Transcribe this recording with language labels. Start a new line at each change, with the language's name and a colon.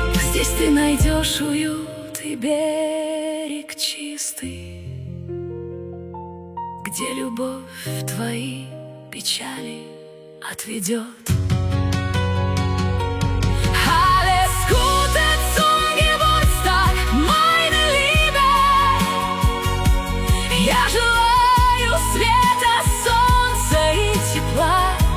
Russian: Здесь ты найдешь уют и берег чистый, где любовь твои печали отведет.
German: Alles Gute zum Geburtstag, meine Liebe.
Russian: Я желаю света, солнца и тепла.